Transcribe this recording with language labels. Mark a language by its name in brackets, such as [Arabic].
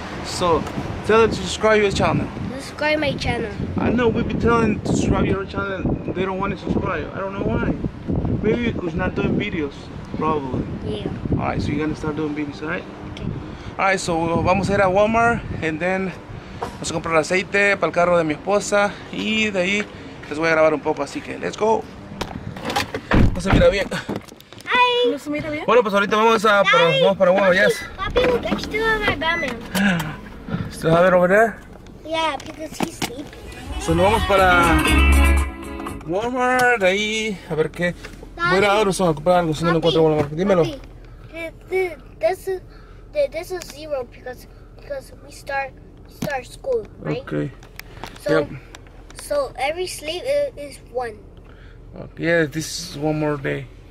[English] So tell them to subscribe your channel. Subscribe my channel. I know we've been telling to subscribe your channel. They don't want to subscribe. I don't know why. Maybe because not doing videos. Probably. Yeah. Alright, so you're gonna start doing videos, right? Okay. Alright, so [Spanish] vamos a ir a Walmart [English] and then [Spanish] vamos a comprar aceite para el carro de mi esposa y de ahí les voy a grabar un poco, así que [English] let's go. [Spanish] No se mira bien. [English] Hi. [Spanish] No se mira bien. Bueno, pues ahorita vamos a para Walmart, yes. [English] Papi, look, I still have my Batman. Still have it over there? Yeah, because he's sleeping. [Spanish] So nos vamos para Walmart, de ahí a ver qué. Voy a dar a comprar algo, si no encuentro Walmart. Dímelo. [English] Papi, this is zero because we start school, right? Okay. So, yep. So every sleep is one. Okay, yeah, this is one more day.